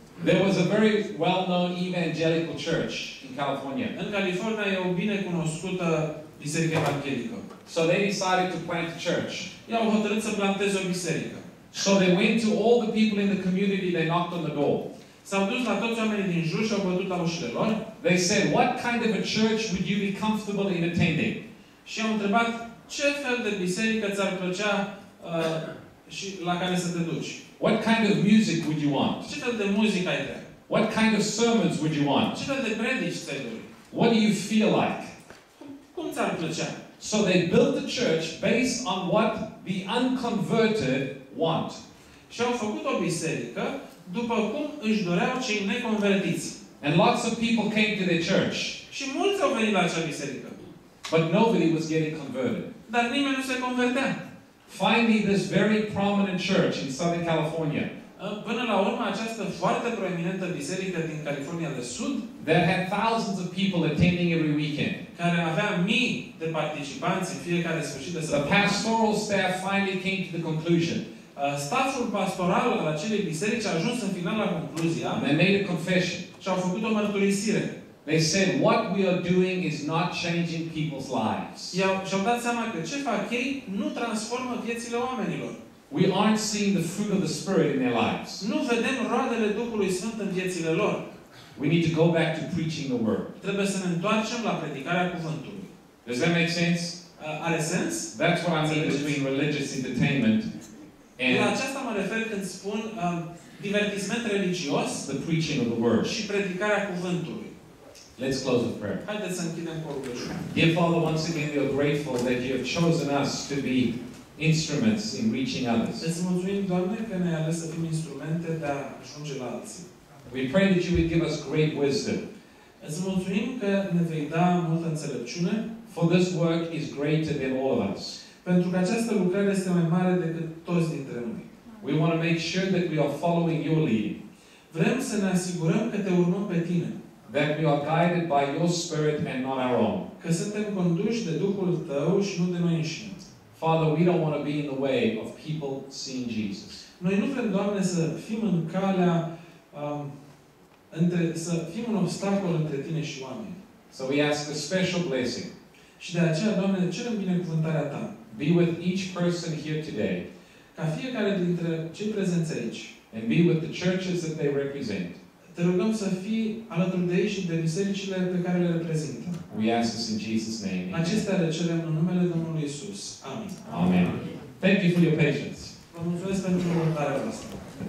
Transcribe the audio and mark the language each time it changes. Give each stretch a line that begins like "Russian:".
English: There was a very well-known evangelical church in California.
Romanian: În California e o bine cunoscută biserică evanghelică.
English: So they decided to plant a church.
Romanian: Iau hotărât să planteze o biserică.
English: So they went to all the people in the community, they knocked on the door.
Romanian: S-au dus la toți oamenii din jur și au bătut la ușile lor.
English: They said, what kind of a church would you be comfortable in attending?
Romanian: Și au întrebat, ce fel de biserică ți-ar plăcea și la care să te duci?
English: What kind of music would you want?
Romanian: Ce fel de muzică ai vrea?
English: What kind of sermons would you want?
Romanian: Ce fel de predici ți-ai dori?
English: What do you feel like?
Romanian: Cum ți-ar plăcea?
English: So they built the church based on what the unconverted want.
Romanian: Și au făcut o biserică după cum își doreau cei neconvertiți.
English: And lots of people came to their church.
Romanian: Și mulți au venit la acea biserică.
English: But nobody was getting converted.
Romanian: Dar nimeni nu se convertea.
English: Finally, this very prominent church in Southern California.
Romanian: Până la urmă, această foarte proeminentă biserică din California de Sud,
English: that had thousands of people attending every weekend.
Romanian: Care avea mii de participanți în fiecare sfârșit de săptămână.
English: The pastoral staff finally came to the conclusion.
Romanian: Stafful pastoral al acelei biserici a ajuns în final la concluzia.
English: They made a confession.
Romanian: Și au făcut o mărturisire.
English: They said, what we are doing is not changing people's lives.
Romanian: Și-au dat seama că ce fac ei nu transformă viețile oamenilor.
English: We aren't seeing the fruit of the Spirit in their lives.
Romanian: Nu vedem roadele Duhului Sfânt în viețile lor.
English: We need to go back to preaching the word.
Romanian: Trebuie să ne întoarcem la predicarea cuvântului.
English: Does that make sense?
Romanian: Are sens?
English: That's what I mean between religious entertainment and
Romanian: la aceasta mă refer când spun divertisment religios,
English: the preaching of the word,
Romanian: și predicarea cuvântului.
English: Let's close with prayer.
Romanian: Haideți să închidem cu rugăciune.
English: Dear Father, once again we are grateful that you have chosen us to be instruments in reaching others.
Romanian: Îți mulțumim, Doamne, că ne-ai ales să fim instrumente de a ajunge la alții.
English: We pray that you would give us great wisdom.
Romanian: Îți mulțumim că ne vei da multă înțelepciune.
English: For this work is greater than all of us.
Romanian: Pentru că această lucrare este mai mare decât toți dintre noi.
English: We want to make sure that we are following your lead.
Romanian: Vrem să ne asigurăm că te urmăm pe tine.
English: That we are guided by your spirit and not our own.
Romanian: Că suntem conduși de Duhul tău și nu de noi înșine.
English: Father, we don't want to be in the way of people seeing Jesus.
Romanian: Noi nu vrem, Doamne, să fim în calea între să fim un obstacol între tine și oameni.
English: So we ask a special blessing.
Romanian: Și de aceea, Doamne, cerem binecuvântarea ta.
English: Be with each person here today.
Romanian: Ca fiecare dintre cei prezenți aici.
English: And be with the churches that they represent.
Romanian: Te rugăm să fii alături de ei și de bisericile pe care le reprezintă.
English: We ask this in Jesus' name.
Romanian: Acestea le cerem în numele Domnului Iisus. Amin.
English: Amen. Thank you for your patience.
Romanian: Vă mulțumesc pentru urmărirea voastră.